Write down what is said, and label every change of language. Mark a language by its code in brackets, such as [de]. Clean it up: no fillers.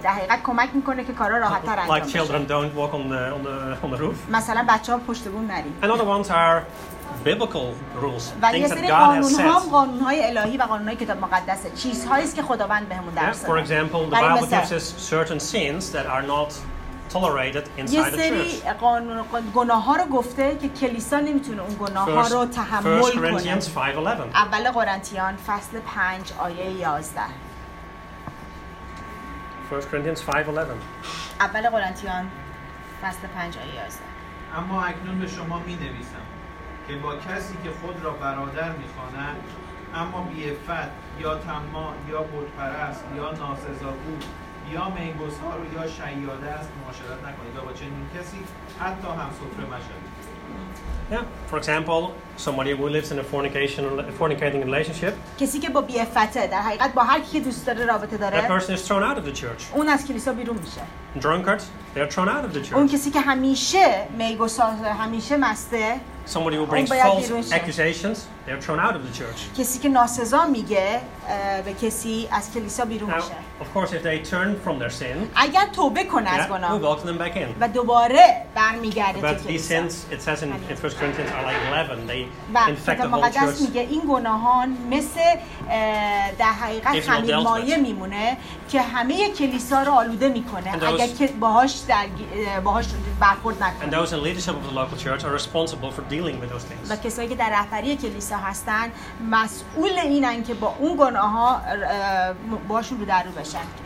[fa] در حقیقت کمک می‌کنه که کارا راحت‌تر انجام بشه. [en] Like children don't walk on the roof. [fa] مثلا بچه‌ها پشت بوم نرین. [en] Another ones are biblical rules. Things that God has set. [fa] قانون‌ها قانون‌های الهی و قانون‌های کتاب مقدسه. چیزهایی است که خداوند بهمون درس داده. [en] For example, the Bible gives us certain sins that are not tolerated inside the church. [fa] یه سری قانون گناه‌ها رو گفته که کلیسا نمیتونه اون گناه‌ها رو تحمل کنه. [en] 1 Corinthians 5:11. [fa] اول قرنتیان فصل 5 آیه 11. [en] 1 Corinthians 5:11. [fa] اول قرنتیان فصل 5 آیه 11. اما اکنون به شما می‌نویسم که با کسی که خود را برادر می‌خواند اما بی‌عفت یا طماع یا بت‌پرست یا ناسزاگو یا میگسار یا شیاده است معاشرت نکنید با چنین کسی حتی هم سفره مشوید. [en] Yeah. For example, somebody who lives in a fornicating relationship. [fa] کسی که با بی‌عفته در حقیقت با هر کی دوست داره رابطه داره. [en] That person is thrown out of the church. [fa] اون از کلیسا بیرون میشه. [en] Drunkards, they're thrown out of the church. [fa] اون کسی که همیشه میگسار همیشه مسته. [en] Somebody who brings false accusations, they're thrown out of the church. [fa] کسی که ناسزا میگه به کسی از کلیسا بیرون میشه. [en] Of course, if they turn from their sin. [fa] اگر توبه کنه از گناه. [en] Yeah, we welcome them back in. [fa] و دوباره برمیگرده تو کلیسا. [en] But these sins, it says in 1 Corinthians are like leaven. They infect the whole church. [fa] میگه این گناهان مثل در حقیقت خمیر مایه میمونه که همه کلیسا رو آلوده میکنه اگر که باهاش برخورد نکنه. [en] And those in leadership of the local church are responsible for dealing with those things. [fa] و کسایی که در رهبری کلیسا هستن مسئول اینن که با اون گناه ها باهاشون رو در رو بشن.